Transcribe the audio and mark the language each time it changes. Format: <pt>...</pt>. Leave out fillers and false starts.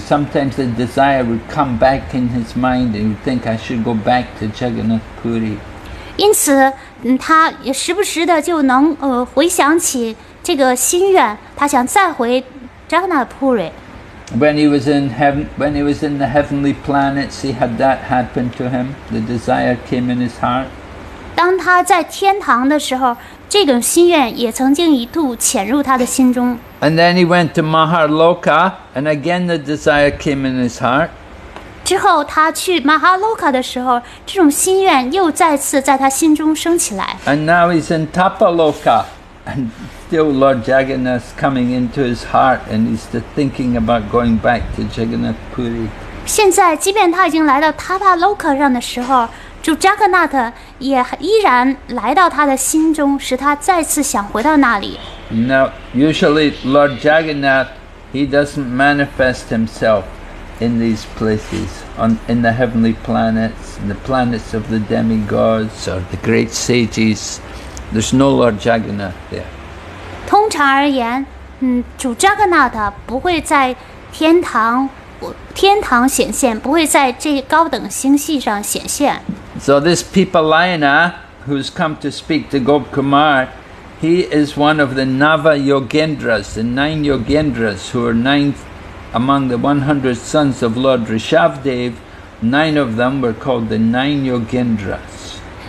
<en>Sometimes the desire would come back in his mind and he would think, I should go back to Jagannath Puri.</en> <zh>因此他也时不时的就能回想起这个心愿，他想再回 Jagannath Puri.</zh> <en>When he was in the heavenly planets, he had that happen to him. The desire came in his heart.</en> <zh>当他在天堂的时候，这个心愿也曾经一度潜入他的心中。</zh> <en>And then he went to Mahaloka, and again the desire came in his heart.</en> <zh>之后他去 Mahaloka 的时候，这种心愿又再次在他心中升起来。</zh> <en>And now he's in Tapaloka, and still Lord Jagannath's coming into his heart, and he's thinking about going back to Jagannath Puri.</en> <zh>现在即便他已经来到 Tapaloka 上的时候，主扎格纳特也依然来到他的心中，使他再次想回到那里。</zh> <en>Now, usually Lord Jagannath, he doesn't manifest himself in these places, in the heavenly planets, in the planets of the demigods or the great sages. There's no Lord Jagannath there.</en> <zh>通常而言，主扎格纳特不会在天堂显现，不会在这高等星系上显现。</zh> <en>So this Pipalayana, who's come to speak to Gop Kumar, he is one of the Nava Yogendras, the nine Yogendras, who are ninth among the 100 sons of Lord Rishabhdev. Nine of them were called the nine Yogendras.</en>